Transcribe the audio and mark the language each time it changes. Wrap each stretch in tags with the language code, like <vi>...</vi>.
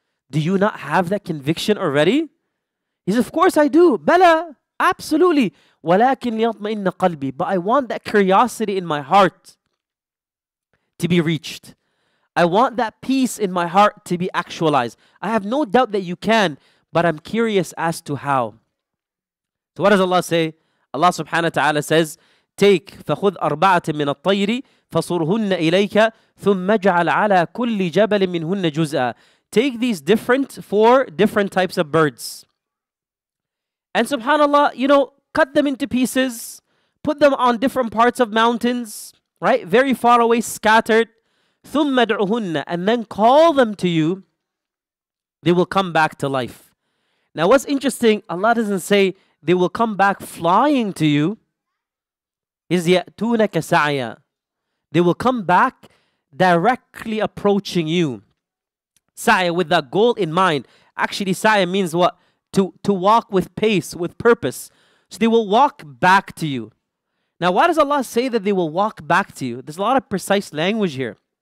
<en>Do you not have that conviction already? He says, of course I do. Bala, absolutely.</en> <ar>ولكن ليطمئن قلبي.</ar> <en>But I want that curiosity in my heart to be reached. I want that peace in my heart to be actualized. I have no doubt that you can, but I'm curious as to how. So what does Allah say? Allah subhanahu wa ta'ala says, take,</en> <ar>فَخُذْ أَرْبَعَةٍ مِنَ الطَّيْرِ فَصُرْهُنَّ إِلَيْكَ ثُمَّ جَعَلْ عَلَىٰ كُلِّ جَبَلٍ مِنْهُنَّ جُزْءًا.</ar> <en>Take these different, four different types of birds. And subhanAllah, you know, cut them into pieces, put them on different parts of mountains, right? Very far away, scattered.</en> <ar>ثُمَّ دْعُهُنَّ.</ar> <en>And then call them to you, they will come back to life. Now what's interesting, Allah doesn't say they will come back flying to you.</en> <ar>Is يَأْتُونَكَ سَعْيًا.</ar> <en>They will come back directly approaching you. سَعْيًا, with that goal in mind. Actually, سَعْيًا means what? To walk with pace, with purpose. So they will walk back to you. Now, why does Allah say that they will walk back to you? There's a lot of precise language here.</en>